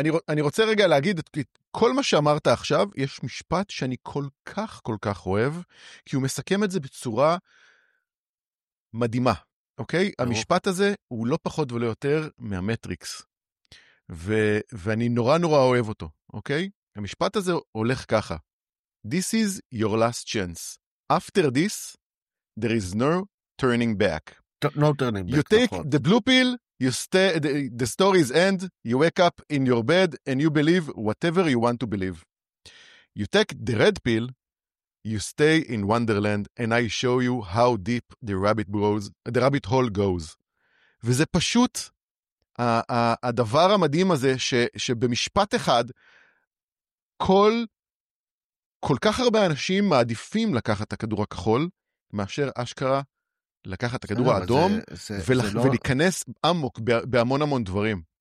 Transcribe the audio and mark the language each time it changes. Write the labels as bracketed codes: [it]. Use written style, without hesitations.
[he] אני רוצה רגע להגיד, כל מה שאמרת עכשיו, יש משפט שאני כל כך כל כך אוהב, כי הוא מסכם את זה בצורה מדהימה, אוקיי? המשפט הזה הוא לא פחות ולא יותר מהמטריקס. ואני נורא נורא אוהב אותו, אוקיי? המשפט הזה הולך ככה. [en] This is your last chance. After this, there is no turning back. No turning back. You take the blue pill, you stay, the stories end, you wake up in your bed, and you believe whatever you want to believe. You take the red pill, you stay in Wonderland, and I show you how deep the rabbit hole goes. [he] וזה פשוט... הדבר המדהים הזה שבמשפט אחד כל כך הרבה אנשים מעדיפים לקחת את הכדור הכחול מאשר אשכרה לקחת את הכדור האדום ולהיכנס עמוק בהמון המון דברים.